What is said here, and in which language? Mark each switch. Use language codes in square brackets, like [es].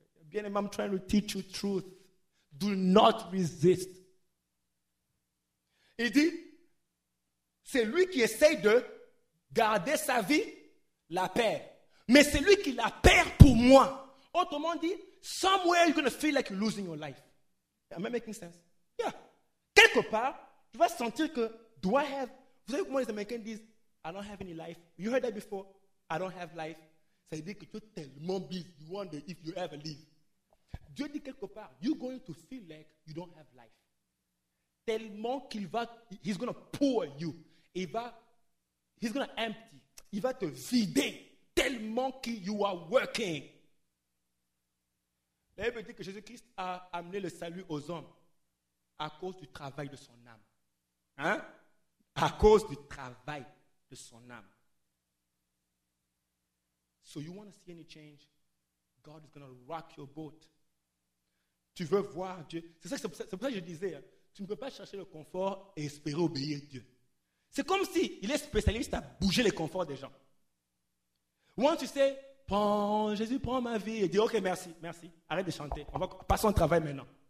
[fr] Bien aimé, [en] I'm trying to teach you truth. Do not resist. [fr] Il dit, c'est lui qui essaye de garder sa vie, la paix. Mais c'est lui qui la perd pour moi. Autrement dit, [en] somewhere you're going to feel like you're losing your life. Am I making sense? Yeah. [fr] Quelque part, tu vas sentir que, [en] do I have, [fr] vous savez comment les Américains disent, [en] I don't have any life. You heard that before? I don't have life. [fr] Ça veut dire que tu es tellement busy, [en] you wonder if you ever live. [fr] Dieu dit quelque part, [en] you're going to feel like you don't have life. [fr] Tellement qu'il va, [en] he's going to pour you. [fr] Il va, [en] he's going to empty. [fr] Il va te vider. Tellement que [en] you are working. [fr] La Bible dit que Jésus-Christ a amené le salut aux hommes à cause du travail de son âme. Hein? À cause du travail de son âme. [en] So you want to see any change? God is going to rock your boat. [fr] Tu veux voir Dieu? C'est pour ça que je disais, hein? Tu ne peux pas chercher le confort et espérer obéir à Dieu. C'est comme si il est spécialiste à bouger les conforts des gens. [en] Once you say, [fr] prends, Jésus, prends ma vie. Il dit, ok, merci, merci. Arrête de chanter. On va passer au travail maintenant.